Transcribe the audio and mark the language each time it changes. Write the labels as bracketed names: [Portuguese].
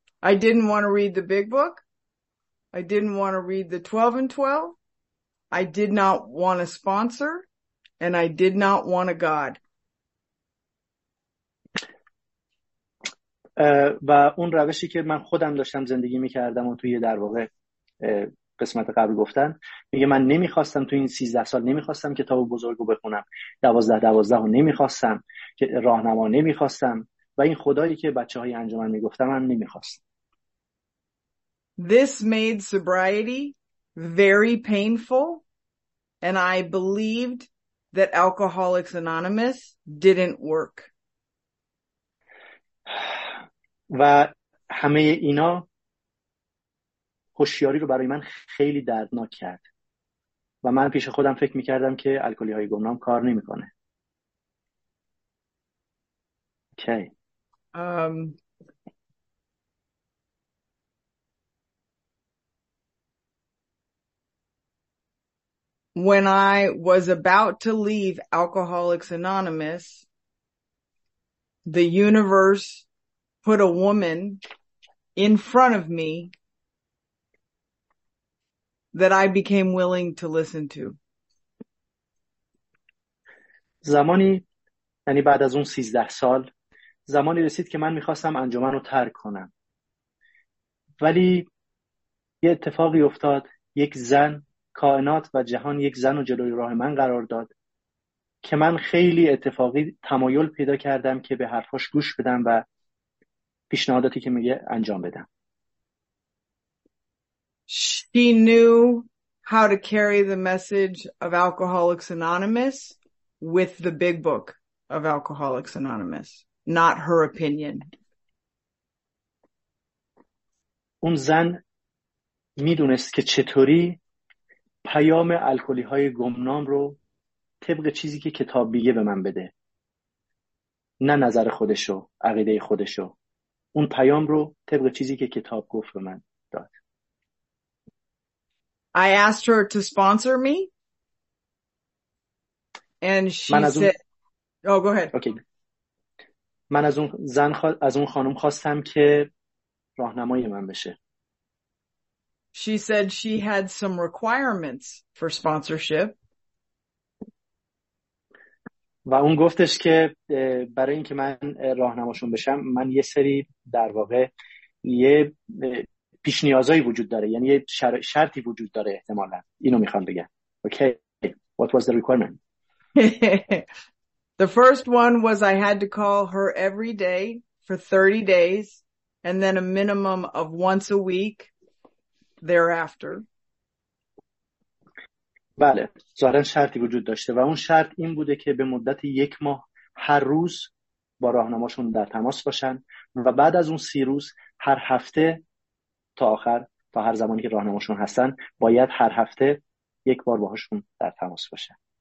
[English] I didn't want to read the big book. I didn't want to read the 12 and 12. I did not want a sponsor and I did not want a God. [Persian] و اون روشی که من خودم داشتم زندگی میکردم و توی در واقع قسمت قبل گفتن، میگه من نمیخواستم تو این 13 سال نمیخواستم کتاب بزرگ رو بخونم، 12-12 رو نمیخواستم، راه نما نمیخواستم، و این خدایی که بچه های انجمن میگفتم هم نمیخواستم. [English] This made sobriety very painful and I believed that Alcoholics Anonymous didn't work. [Persian] و همه اینا هوشیاری رو برای من خیلی دردناک کرد و من پیش خودم فکر میکردم که الکلی های گمنام کار نمیکنه. [English] Okay. When I was about to leave Alcoholics Anonymous, the universe put a woman in front of me that I became willing to listen to. [Persian] زمانی، یعنی بعد از اون 13 سال، زمانی رسید که من میخواستم انجمن رو ترک کنم، ولی یه اتفاقی افتاد، یک زن، کائنات و جهان یک زن رو جلوی راه من قرار داد که من خیلی اتفاقی تمایل پیدا کردم که به حرفاش گوش بدم و پیشنهاداتی که میگه انجام بدم. [English] She knew how to carry the message of Alcoholics Anonymous with the big book of Alcoholics Anonymous, not her opinion. [Persian] اون زن میدونست که چطوری پیام الکلی های گمنام رو طبق چیزی که کتاب میگه به من بده، نه نظر خودشو، عقیده خودشو، اون پیام رو طبق چیزی که کتاب گفت به من داد. [English] I asked her to sponsor me and she said oh go ahead. Okay. [Persian] من از اون زن از اون خانم خواستم که راهنمای من بشه. [English] She said she had some requirements for sponsorship. [Persian] و اون گفتش که برای این که من راهنماشون بشم، من یه سری در واقع یه پیش نیازایی وجود داره، یعنی یه شرطی وجود داره احتمالا، اینو میخوام بگم. اوکی. [English] What was the requirement? The first one was I had to call her every day for 30 days and then a minimum of once a week thereafter. [Persian] بله، ظاهرا شرطی وجود داشته و اون شرط این بوده که به مدت یک ماه هر روز با راهنماشون در تماس باشن و بعد از اون 30 روز هر هفته تا آخر تا هر زمانی که راهنماشون هستن باید هر هفته یک بار باهاشون در تماس باشن.